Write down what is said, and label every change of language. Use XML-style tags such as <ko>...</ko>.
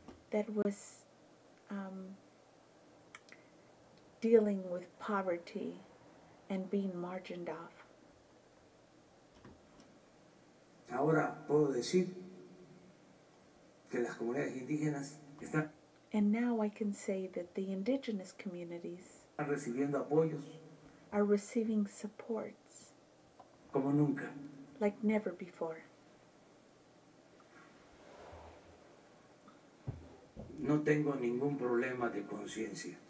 <en>That was dealing with poverty and being margined off.</en> <es>Ahora puedo decir que las comunidades indígenas están.</es> <en>And now I can say that the indigenous communities</en> <es>están recibiendo apoyos.</es> <en>Are receiving supports.</en> <es>Como nunca.</es> <en>Like never before.</en> <es>No tengo ningún problema de conciencia.</es>